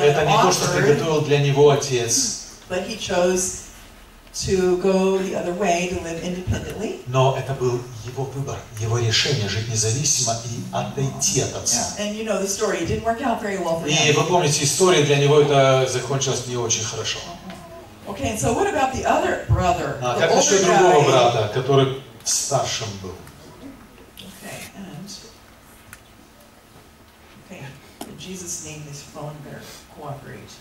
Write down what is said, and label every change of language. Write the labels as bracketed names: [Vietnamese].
[Russian] Это не то, что приготовил для него отец. [English] But he chose to go the other way, to live independently. [Russian] Но это был его выбор, его решение жить независимо и отойти от отца. [English] Yeah. And you know the story, it didn't work out very well for him. [Russian] И вы помните историю, для него это закончилось не очень хорошо. [English] Okay, and so what about the other brother? [Russian] Как насчет другого брата, который старшим был? [English] Okay, and okay, in Jesus' name, this phone better cooperate.